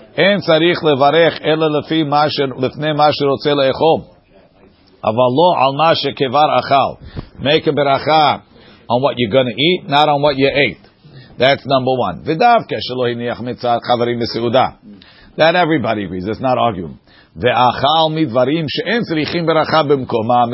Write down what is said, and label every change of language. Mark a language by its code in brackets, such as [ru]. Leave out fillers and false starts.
[he] אין צריך לברך אלא לפי מה לפני מה שרוצה לאכול אבל לא על מה שכבר אכל. [en] Make a ברכה on what you're going to eat, not on what you ate. That's number one. [he] ודווקא שלא הניח מצד חברים לסעודה. [en] That everybody agrees. It's not arguing. [he] ואכל מדברים שאין צריכים ברכה במקומם.